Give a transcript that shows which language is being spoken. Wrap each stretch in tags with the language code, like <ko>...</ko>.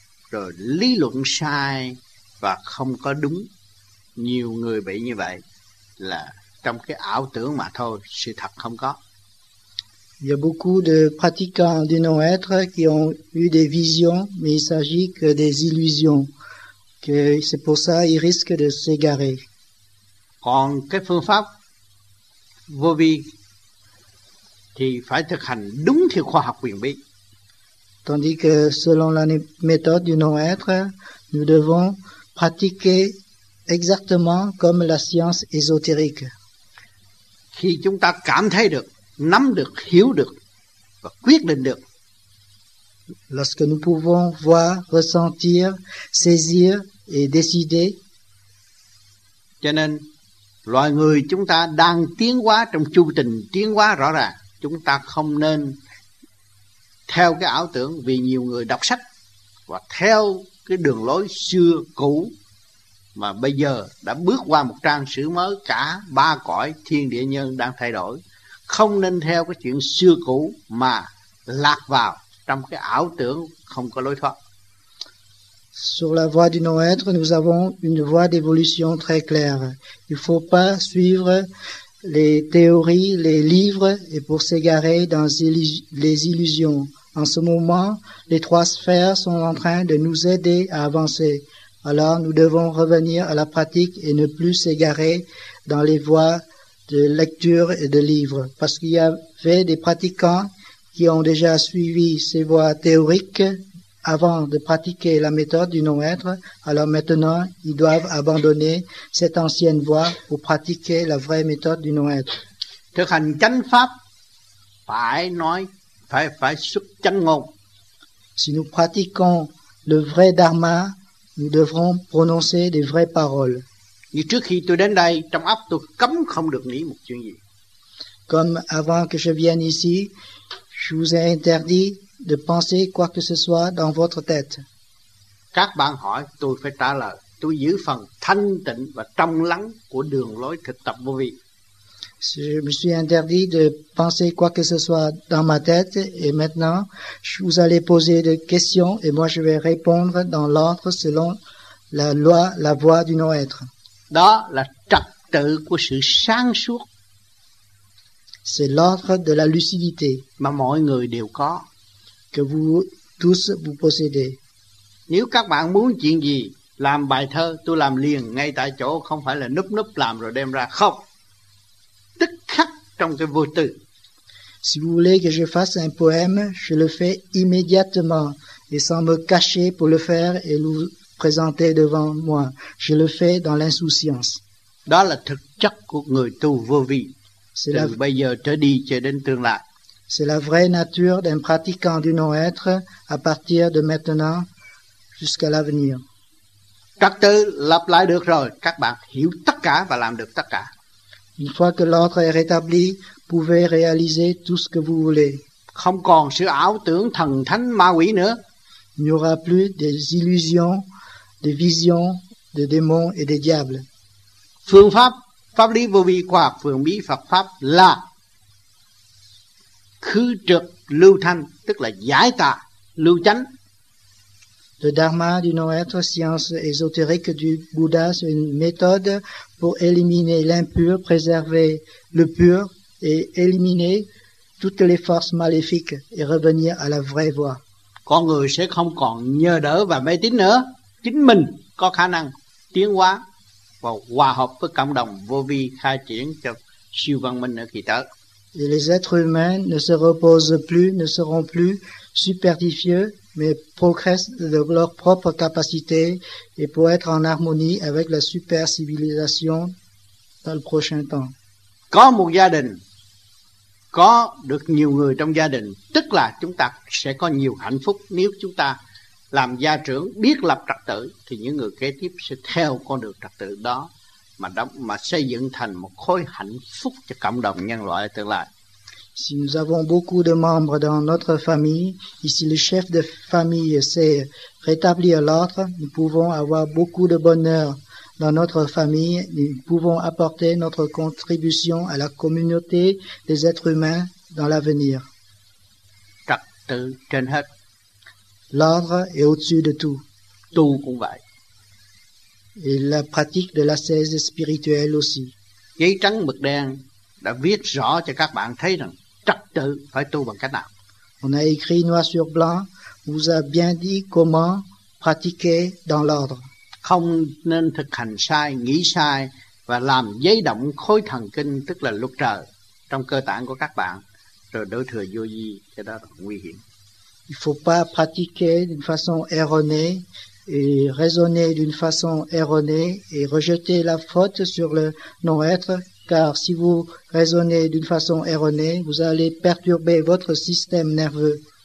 <vi>Rồi lý luận sai và không có đúng. Nhiều người bị như vậy là trong cái ảo tưởng mà thôi, sự thật không có.</vi> <fr>Il y a beaucoup de pratiquants du non-être qui ont eu des visions, mais il s'agit que des illusions. Que c'est pour ça qu'ils risquent de s'égarer.</fr> <vi>Còn cái phương pháp vô vi thì phải thực hành đúng theo khoa học quyền bí.</vi> <fr>Tandis que selon la méthode du non-être, nous devons pratiquer exactement comme la science ésotérique.</fr> <vi>Khi chúng ta cảm thấy được, nắm được, hiểu được và quyết định được.</vi> <fr>Lorsque nous pouvons voir, ressentir, saisir et décider.</fr> <vi>Cho nên, loài người chúng ta đang tiến hóa trong chu trình tiến hóa rõ ràng. Chúng ta không nên theo cái ảo tưởng, vì nhiều người đọc sách và theo cái đường lối xưa cũ mà bây giờ đã bước qua một trang sử mới, cả ba cõi thiên địa nhân đang thay đổi. Không nên theo cái chuyện xưa cũ mà lạc vào trong cái ảo tưởng không có lối thoát.</vi> <fr>Sur la voie du non-être, nous avons une voie d'évolution très claire. Il ne faut pas suivre les théories, les livres, et pour s'égarer dans les illusions. En ce moment, les trois sphères sont en train de nous aider à avancer. Alors, nous devons revenir à la pratique et ne plus s'égarer dans les voies de lecture et de livres. Parce qu'il y avait des pratiquants qui ont déjà suivi ces voies théoriques avant de pratiquer la méthode du non-être, alors maintenant, ils doivent abandonner cette ancienne voie pour pratiquer la vraie méthode du non-être.</fr> <vi>Thực hành chánh pháp, phải nói, phải xuất chánh ngôn.</vi> <fr>Si nous pratiquons le vrai dharma, nous devrons prononcer des vraies paroles.</fr> <vi>Như trước khi tôi đến đây, trong óc tôi cấm không được nghĩ một chuyện gì.</vi> <fr>Comme avant que je vienne ici, je vous ai interdit de penser quoi que ce soit dans votre tête.</fr> <vi>Các bạn hỏi, tôi phải trả lời, tôi giữ phần thanh tịnh và trong lắng của đường lối thực tập vô vi.</vi> <fr>Je me suis interdit de penser quoi que ce soit dans ma tête, et maintenant, vous allez poser des questions, et moi je vais répondre dans l'ordre selon la loi, la voie du non-être.</fr> <vi>Đó là trật tự của sự sáng suốt.</vi> <fr>C'est l'ordre de la lucidité.</fr> <vi>Mà mọi người đều có.</vi> <fr>Que vous tous vous possédez.</fr> <vi>Nếu các bạn muốn chuyện gì, làm bài thơ, tôi làm liền ngay tại chỗ, không phải là núp làm rồi đem ra, không. Tức khắc trong cái vô tư.</vi> <fr>Si vous voulez que je fasse un poème, je le fais immédiatement et sans me cacher pour le faire et le présenter devant moi. Je le fais dans l'insouciance.</fr> <vi>Đó là thực chất của người tu vô vi. C'est từ bây giờ trở đi cho đến tương lai.</vi> <fr>C'est la vraie nature d'un pratiquant du non-être à partir de maintenant jusqu'à l'avenir.</fr> <vi>Trật tự lập lại được rồi, các bạn hiểu tất cả và làm được tất cả.</vi> <fr>Une fois que l'ordre est rétabli, vous pouvez réaliser tout ce que vous voulez.</fr> <vi>Không còn sự ảo tưởng thần thánh ma quỷ nữa.</vi> <fr>Il n'y aura plus des illusions, des visions des démons et des diables.</fr> <vi>Phương pháp, pháp lý vô vi khoa học, phương bí Phật pháp là khứ trực lưu thanh, tức là giải tà lưu chánh.</vi> <fr>Le dharma du non-être, science ésotérique du Bouddha, c'est une méthode pour éliminer l'impur, préserver le pur et éliminer toutes les forces maléfiques et revenir à la vraie voie.</fr> <vi>Con người sẽ không còn nhờ đỡ và mê tín nữa, chính mình có khả năng tiến hóa và hòa hợp với cộng đồng vô vi khai triển cho siêu văn minh ở kỳ tới.</vi> <fr>Et les êtres humains ne se reposent plus, ne seront plus superficieux, mais progressent de leurs propres capacités et pour être en harmonie avec la super civilisation dans le prochain temps.</fr> <vi>Có một gia đình có được nhiều người trong gia đình, tức là chúng ta sẽ có nhiều hạnh phúc. Nếu chúng ta làm gia trưởng biết lập trật tự thì những người kế tiếp sẽ theo con đường trật tự đó mà xây dựng thành một khối hạnh phúc cho cộng đồng nhân loại tương lai.</vi> <fr>Si nous avons beaucoup de membres dans notre famille, et si le chef de famille sait rétablir l'ordre, nous pouvons avoir beaucoup de bonheur dans notre famille, nous pouvons apporter notre contribution à la communauté des êtres humains dans l'avenir.</fr> <vi>Trật tự trên hết.</vi> <fr>L'ordre est au-dessus de tout.</fr> <vi>Tout cũng vậy.</vi> <fr>Et la pratique de l'ascèse spirituelle aussi.</fr> <vi>Giấy trắng mực đen đã viết rõ cho các bạn thấy rằng trật tự phải tu bằng cách nào.</vi> <fr>On a écrit noir sur blanc, vous a bien dit comment pratiquer dans l'ordre.</fr> <vi>Không nên thực hành sai, nghĩ sai và làm dấy động khối thần kinh, tức là luật trời trong cơ tạng của các bạn, rồi đổ thừa vô vi, cái đó là nguy hiểm.</vi> <fr>Il faut pas pratiquer d'une façon erronée et raisonner d'une façon erronée et rejeter la faute sur le non-être, car si vous raisonnez d'une façon erronée, vous allez perturber votre système nerveux.</fr>